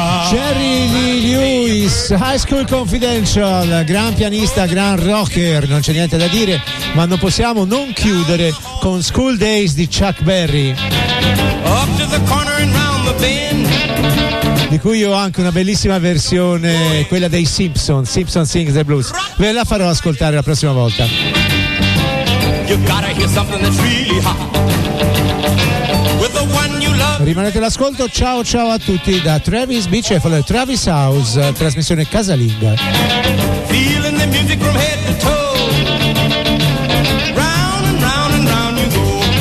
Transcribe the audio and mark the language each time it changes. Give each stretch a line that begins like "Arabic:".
Italian: Jerry Lee Lewis, High School Confidential, gran pianista, gran rocker, non c'è niente da dire, ma non possiamo non chiudere con School Days di Chuck Berry,
English: up to the corner and round the bend,
Italian: di cui ho anche una bellissima versione, quella dei Simpsons, Simpsons Sings the Blues, ve la farò ascoltare la prossima volta.
English: You gotta hear something that's really hot. With the one you love.
Italian: Rimanete all'ascolto, ciao ciao a tutti da Travis Bicefalo e Travis House, trasmissione casalinga.
English: Feeling the music from head to toe. Round and round and round you go.